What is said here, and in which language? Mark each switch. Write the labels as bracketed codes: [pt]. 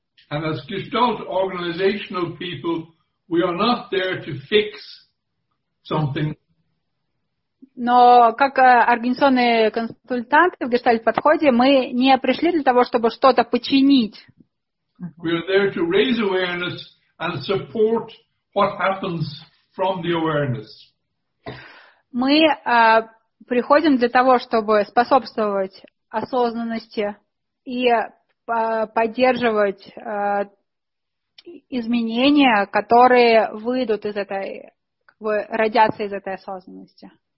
[en] And as Gestalt organizational people, we are not there to fix something. [ru] Но как организационные консультанты в Гештальт-подходе, мы не пришли для того, чтобы что-то починить. [en] We are there to raise awareness and support what happens from the awareness. [ru] Мы приходим для того, чтобы способствовать осознанности и поддерживать изменения, которые выйдут из этой, как бы родятся из этой осознанности.